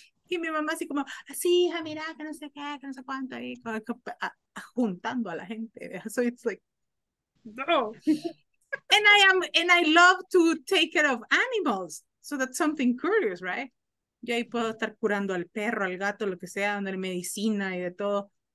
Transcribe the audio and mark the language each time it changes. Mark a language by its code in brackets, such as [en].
[es] Y mi mamá así como, así, hija, mira, que no sé cuánto, ahí, juntando a la gente. [en] So it's like, no. And I love to take care of animals. So that's something curious, right? [es] Yo ahí puedo estar curando al perro, al gato, lo que sea, dando medicina y de todo.